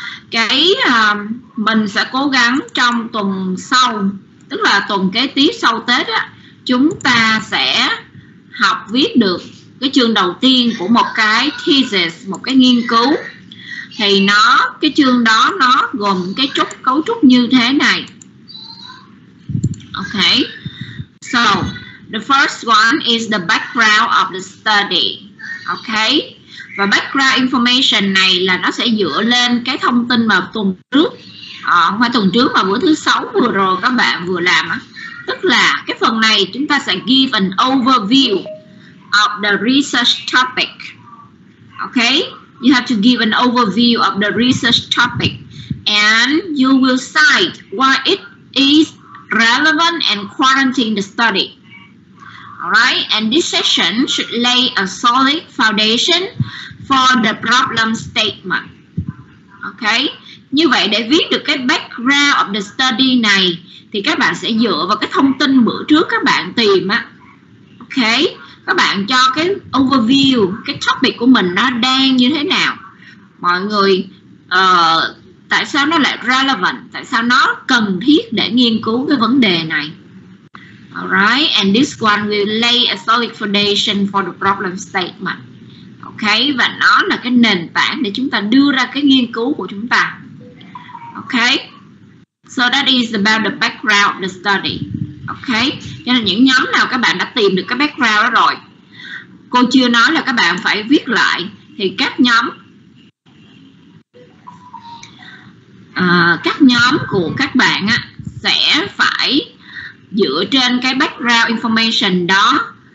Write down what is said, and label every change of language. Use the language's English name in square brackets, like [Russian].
[Vietnamese] Cái mình sẽ cố gắng trong tuần sau, tức là tuần kế tiếp sau Tết á, chúng ta sẽ học viết được cái chương đầu tiên của một cái thesis, một cái nghiên cứu. Thì nó, cái chương đó nó gồm cái trúc, cấu trúc như thế này. Ok. [English] So, the first one is the background of the study. Ok. [Vietnamese] Và background information này là nó sẽ dựa lên cái thông tin mà tuần trước, không phải tuần trước mà bữa thứ 6 vừa rồi các bạn vừa làm á. Tức là cái phần này chúng ta sẽ [English] give an overview of the research topic. Ok. You have to give an overview of the research topic and you will cite why it is relevant and quarantine the study. Alright, and this session should lay a solid foundation for the problem statement. [Vietnamese] Okay, như vậy để viết được cái background of the study này thì các bạn sẽ dựa vào cái thông tin bữa trước các bạn tìm á. Okay, các bạn cho cái overview, cái topic của mình nó đang như thế nào. Mọi người, tại sao nó lại relevant, tại sao nó cần thiết để nghiên cứu cái vấn đề này. [English] Alright, and this one will lay a solid foundation for the problem statement. [Vietnamese] Okay, và nó là cái nền tảng để chúng ta đưa ra cái nghiên cứu của chúng ta. [English] Okay, so that is about the background of the study. [Vietnamese] Okay, cho nên những nhóm nào các bạn đã tìm được cái background đó rồi, cô chưa nói là các bạn phải viết lại, thì các nhóm của các bạn á, sẽ phải dựa trên cái background information đó.